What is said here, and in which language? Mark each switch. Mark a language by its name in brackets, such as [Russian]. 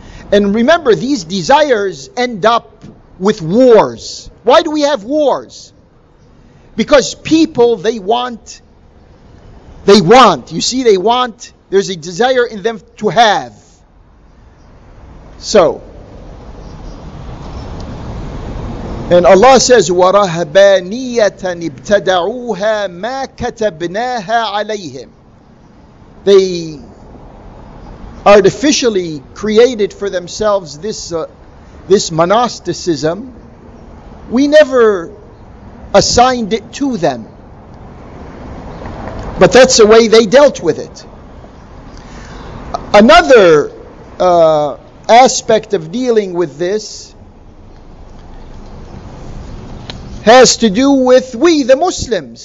[English] And remember, these desires end up with wars. Why do we have wars? Because people, they want. You see, they want. There's a desire in them to have. So, and Allah says, [Arabic] وَرَهْبَانِيَّةً ابْتَدَعُوهَا مَا كَتَبْنَاهَا عَلَيْهِمْ. [English] They artificially created for themselves this monasticism. We never assigned it to them. But that's the way they dealt with it. Another aspect of dealing with this has to do with we, the Muslims.